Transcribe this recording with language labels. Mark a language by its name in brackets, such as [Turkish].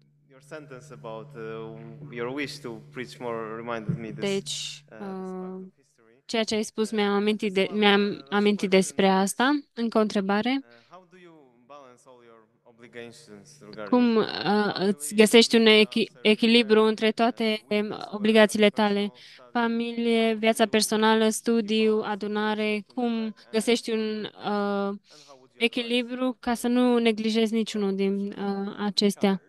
[English] Your sentence about your wish to preach more reminded me this. [Romanian] Deci, ceea ce ai spus mi-a amintit despre asta. Încă o întrebare. [English] How do you balance all your obligations regarding? [Romanian] Cum îți găsești un echilibru între toate obligațiile tale? Familie, viața personală, studiu, adunare. Cum găsești un echilibru ca să nu neglijezi niciunul din acestea?